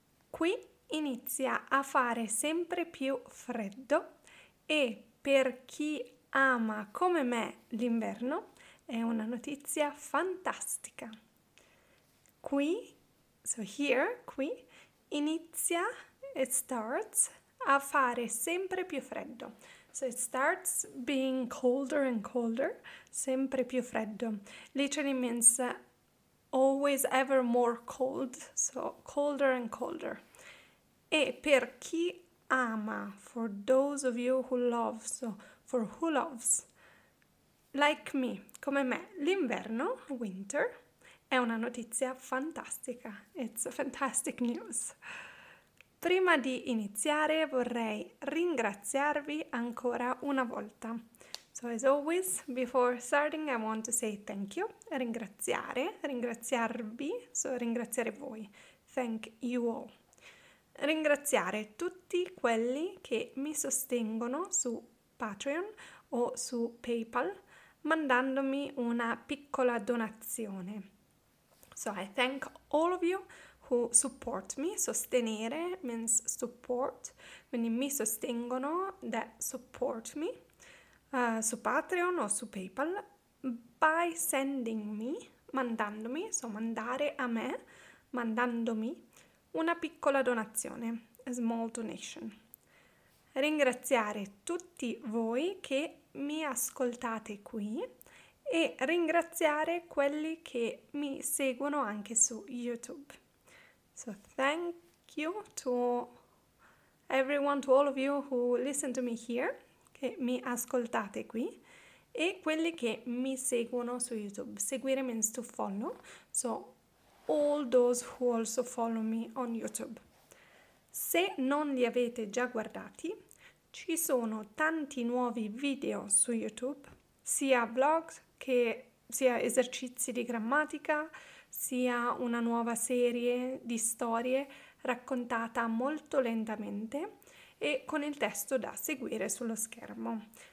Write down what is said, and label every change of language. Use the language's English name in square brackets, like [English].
[Italian] Qui inizia a fare sempre più freddo e per chi ama come me l'inverno è una notizia fantastica. Qui, [English] so here, [Italian] qui, inizia, [English] it starts, [Italian] a fare sempre più freddo. [English] So it starts being colder and colder, [Italian] sempre più freddo. [English] Literally means always ever more cold, so colder and colder. [Italian] E per chi ama, [English] for those of you who love, so for who loves, like me, [Italian] come me, l'inverno, [English] winter, [Italian] è una notizia fantastica. [English] It's a fantastic news. [Italian] Prima di iniziare vorrei ringraziarvi ancora una volta. [English] So as always, before starting I want to say thank you, [Italian] ringraziare, ringraziarvi, [English] so [Italian] ringraziare voi. [English] Thank you all. [Italian] Ringraziare tutti quelli che mi sostengono su Patreon o su PayPal mandandomi una piccola donazione. [English] So I thank all of you who support me. [Italian] Sostenere [English] means support, [Italian] quindi mi sostengono, [English] that support me, [Italian] su Patreon o su PayPal [English] by sending me, [Italian] mandandomi, so mandare a me, mandandomi una piccola donazione, [English] a small donation. [Italian] Ringraziare tutti voi che mi ascoltate qui e ringraziare quelli che mi seguono anche su YouTube. [English] So thank you to everyone, to all of you who listen to me here, [Italian] che mi ascoltate qui, e quelli che mi seguono su YouTube. [English] Seguire means to follow, so all those who also follow me on YouTube. [Italian] Se non li avete già guardati, ci sono tanti nuovi video su YouTube, sia vlog, che sia esercizi di grammatica, sia una nuova serie di storie raccontata molto lentamente e con il testo da seguire sullo schermo.